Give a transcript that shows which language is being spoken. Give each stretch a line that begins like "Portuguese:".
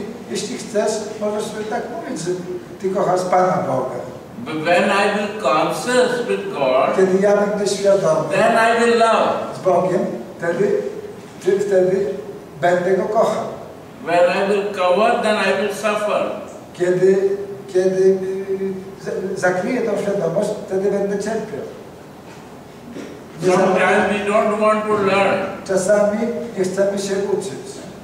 Polish: Jeśli chcesz, możesz sobie tak mówić, że ty kochasz Pana Boga.
English: But when I will conscious with God,
Polish: kiedy ja będę świadomy,
English: then I will love.
Polish: Z Bogiem, wtedy będę go kochał.
English: When I will cover, then I will suffer.
Polish: Kiedy zakryję tą świadomość, wtedy będę cierpiał.
English: Sometimes we don't want to learn.
Polish: Czasami nie chcemy się uczyć.